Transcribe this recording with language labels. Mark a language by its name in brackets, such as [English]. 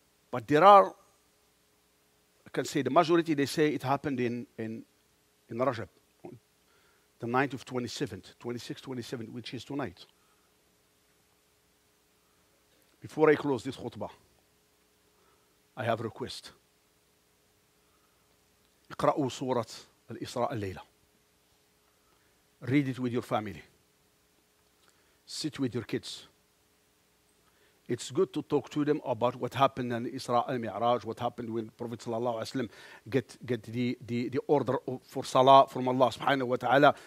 [English] But there are, I can say the majority, they say it happened in Rajab, the night of 26th, 27th, which is tonight. Before I close this khutbah, I have a request. [Arabic] اقرأوا سورة الإسراء الليلة. [English] Read it with your family. Sit with your kids. It's good to talk to them about what happened in Isra al-Mi'raj, what happened when Prophet sallallahu alaihi wasallam get the order for Salah from Allah subhanahu wa ta'ala.